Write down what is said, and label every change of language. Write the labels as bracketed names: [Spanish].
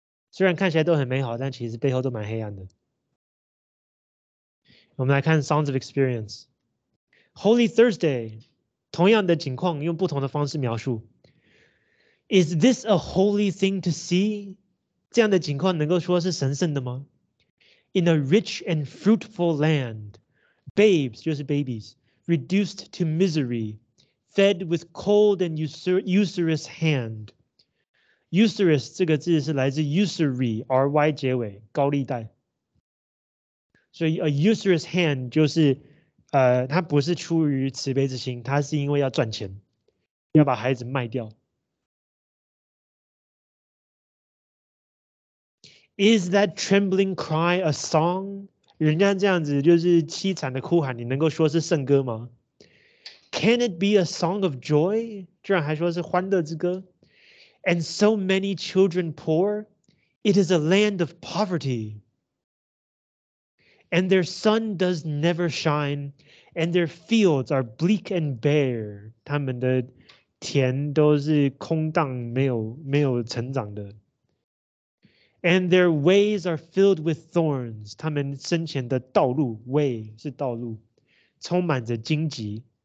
[Chinese] 虽然看起来都很美好，但其实背后都蛮黑暗的。我们来看 Songs of Experience。Holy Thursday 同样的景况用不同的方式描述。 [English] Is this a holy thing to see？ [Chinese] 这样的景况能够说是神圣的吗？ [English] In a rich and fruitful land, babes, [Chinese] 就是 [English] babies, reduced to misery, fed with cold and usurious hand. [Chinese] Usurious 这个字是来自 usury, ry 结尾，高利贷。所以 [English] a usurious hand [Chinese] 就是，它不是出于慈悲之心，它是因为要赚钱，要把孩子卖掉。 [English] Is that trembling cry a song? [Chinese] 人家这样子就是凄惨的哭喊，你能够说是圣歌吗？ [English] Can it be a song of joy? [Chinese] 居然还说是欢乐之歌。 [English] And so many children poor, it is a land of poverty. And their sun does never shine, and their fields are bleak and bare. [Chinese] 他们的田都是空荡，没有成长的。 [English] And their ways are filled with thorns. [Chinese] 他们身前的道路 way 是道路，充满着荆棘。